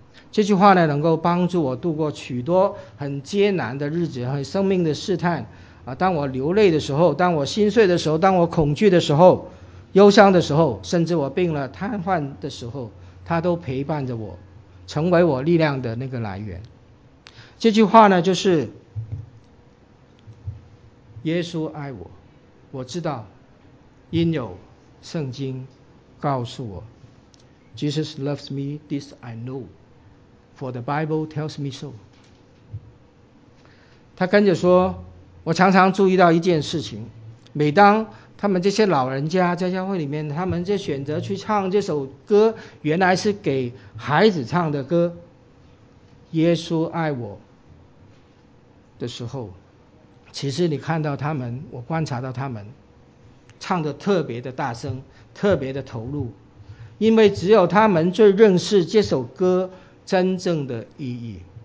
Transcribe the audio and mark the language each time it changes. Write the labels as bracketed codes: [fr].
[zh] 这句话呢能够帮助我度过许多很艰难的日子和生命的试探，当我流泪的时候，当我心碎的时候，当我恐惧的时候，忧伤的时候，甚至我病了瘫痪的时候，他都陪伴着我，成为我力量的那个来源。这句话呢就是耶稣爱我，我知道，因有圣经告诉我。 [en] Jesus loves me, this I know, for the Bible tells me so. [zh] 他跟着说，我常常注意到一件事情，每当他们这些老人家在教会里面，他们就选择去唱这首歌，原来是给孩子唱的歌，耶稣爱我的时候，其实你看到他们，我观察到他们唱得特别的大声，特别的投入，因为只有他们最认识这首歌真正的意义。